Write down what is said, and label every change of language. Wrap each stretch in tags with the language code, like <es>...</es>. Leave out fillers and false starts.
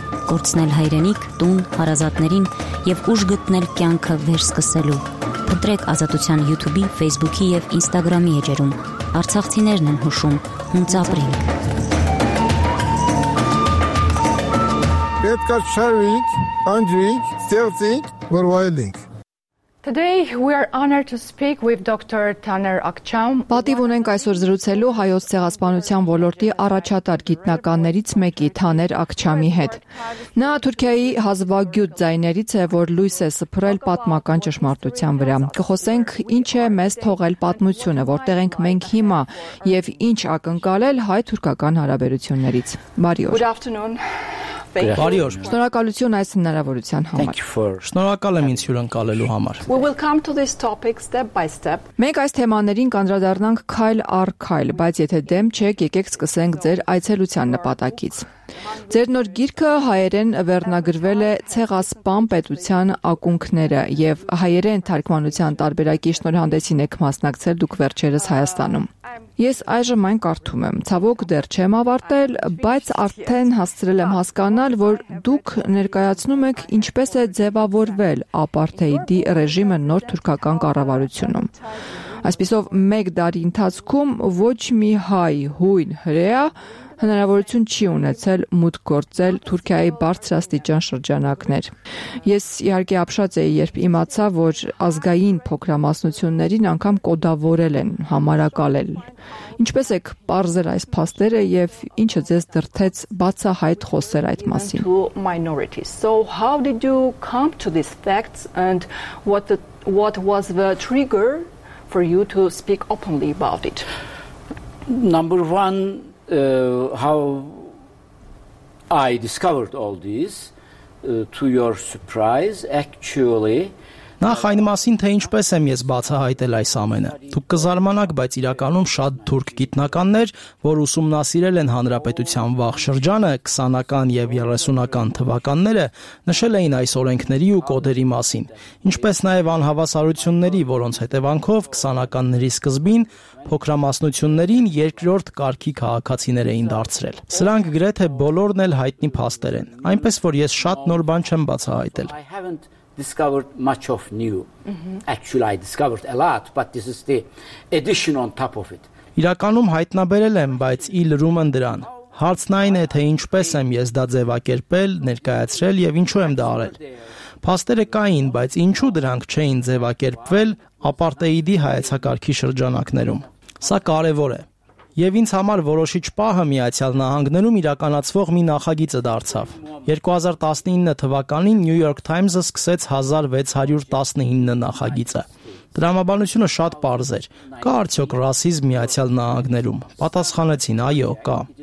<hy>Կորցնել հայրենիք, տուն, հարազատներին և ուժ գտնել կյանքը վերսկսելու։ Փնտրեք Ազատության YouTube-ի, Facebook-ի և Instagram-ի էջերում։ Արցախցիներն են հուշում, հունց ապրինք։ Պետք է շարվենք, անջրենք, ստեղծենք, որ վայելենք։</hy> <en>Today we are honored to speak with Dr. Taner Akçam.</en> <hy>Պատիվ ունենք այսօր զրուցելու հայոց ցեղասպանության ոլորտի առաջատար գիտնականներից մեկի Taner Akçam-ի հետ։ Նա Թուրքիայի հազվագյուտ ձայներից է, որ լույս է սփռել պատմական ճշմարտության վրա։ Կխոսենք, ինչ է մեզ թողել պատմությունը, որտեղ ենք մենք հիմա եւ ինչ ակնկալել հայ-թուրքական հարաբերություններից։ Բարի օր։</hy> <en>Good afternoon.</en> <hy>Բարի օր։ Շնորհակալություն այս հնարավորության համար։ Շնորհակալ եմ ինձ հյուրընկալելու համար։</hy> <en>We will come to this topic step by step.</en> <hy>Մենք այս թեմաներին կանդրադառնանք քայլ առ քայլ, բայց եթե դեմ չեք, եկեք սկսենք ձեր այցելության նպատակից։ Ձեր նոր գիրքը հայերեն վերնագրվել է Ցեղասպան պետության ակունքները եւ հայերեն թարգմանության տարբերակի շնորհանդեսին եք մասնակցել դուք վերջերս Հայաստանում։ Ես այժմ այն կարդում եմ, ցավոք դեռ չեմ ավարտել, բայց արդեն հասցրել եմ հասկանալ, որ դուք ներկայացնում եք ինչպես է ձևավորվել ապարթեիդի ռեժիմը նոր թուրքական կառավարությունում։ Այսպիսով մեկ դարի ընթացքում ոչ մի հայ, հույն, հրեա հնարավորություն չի ունեցել մուտք գործել Թուրքիայի բարձրաստիճան շրջանակներ։ Ես իհարկե ապշած էի, երբ իմացա, որ ազգային փոքրամասնություններին անգամ կոդավորել են, համարակալել։ Ինչպես եք պարզել այս փաստերը և ինչը ձեզ դրթեց բացահայտ խոսել այդ մասին։</hy> <en>So how did you come to these facts and what was the trigger for you to speak openly about it? Number one, how I discovered all this, to your surprise, actually,</en> <hy>Նախ այն մասին, թե ինչպես եմ ես բացահայտել այս ամենը։ Դուք կզարմանաք, բայց իրականում շատ թուրք գիտնականներ, որ ուսումնասիրել են Հանրապետության վաղ շրջանը, 20-ական և 30-ական թվականները, նշել էին այս օրենքների ու կոդերի մասին, ինչպես նաև անհավասարությունների, որոնց հետևանքով 20-ականների սկզբին փոքրամասնություններին երկրորդ կարգի քաղաքացիներ էին դարձրել։ Սրանք գրեթե բոլորն էլ հայտնի փաստեր են, այնպես որ ես շատ նոր բան չեմ բացահայտել։</hy> <en>Discovered much of new. Mm-hmm. Actually, I discovered a lot, but this is the addition on top of it.</en> <hy>Իրականում հայտնաբերել եմ, բայց ի լրում են դրան։ Հարցն այն է, թե ինչպես եմ ես դա ձևակերպել, ներկայացրել և ինչու եմ դա արել։ Փաստերը կային, բայց ինչու դրանք չէին ձևակերպվել ապարտեիդի հայեցակարգի շրջանակներում։ Սա կարևոր է։ Եվ ինձ համար որոշիչ պահը Միացյալ Նահանգներում իրականացվող մի նախագիծը դարձավ։ 2019 թվականին New York Times-ը սկսեց 1619 նախագիծը։ Դրամաբանությունը շատ պարզ էր։ Կա արդյոք ռասիզմ Միացյալ Նահանգներում։ Պատասխանեցին, այո, կա։</hy>